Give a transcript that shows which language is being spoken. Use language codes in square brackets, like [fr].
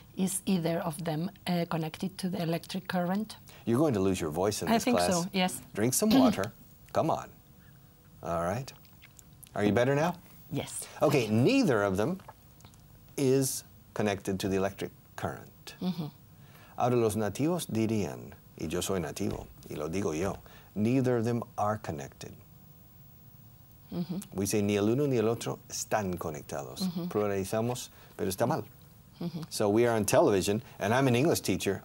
[en] Is either of them connected to the electric current? You're going to lose your voice in this class. I think so, yes. Drink some water. Come on. All right. Are you better now? Yes. Okay, neither of them is connected to the electric current. Mm-hmm. [es] Ahora los nativos dirían, y yo soy nativo, y lo digo yo, [en] neither of them are connected. [es] Mm-hmm. [en] We say [es] ni el uno ni el otro están conectados. Mm-hmm. Pluralizamos, pero está mal. Mm-hmm. [en] So we are on television, and I'm an English teacher.